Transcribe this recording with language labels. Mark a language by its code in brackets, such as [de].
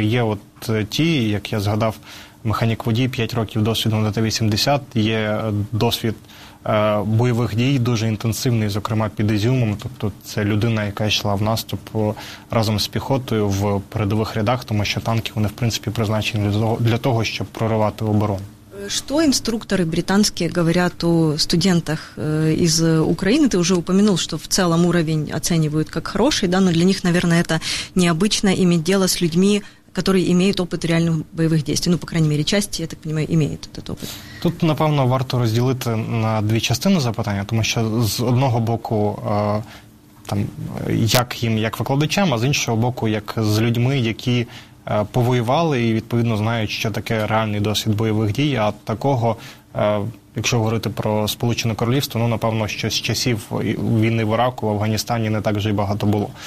[uk] Є от ті, як я згадав, механік-водій, 5 років досвіду на Т-80, є досвід бойових дій дуже інтенсивний, зокрема під Ізюмом. Тобто це людина, яка йшла в наступ разом з піхотою в передових рядах, тому що танки, вони в принципі призначені для того, щоб проривати оборону. [ru] Что инструкторы британские говорят о студентах из Украины? Ты уже упомянул, что в целом уровень оценивают как хороший, да, но для них, наверное, это необычно иметь дело с людьми, которые имеют опыт реальных боевых действий. Ну, по крайней мере, часть, я так понимаю, имеет этот опыт. [uk] Тут, напевно, варто разделить на две частини запитання, [ru] потому что с одного [uk] боку, там, як їм, як викладачам, а з іншого боку, як з людьми, які повоювали і, відповідно, знають, що таке реальний досвід бойових дій. А такого, якщо говорити про Сполучене Королівство, ну, напевно, що з часів війни в Іраку, в Афганістані не так вже й багато було.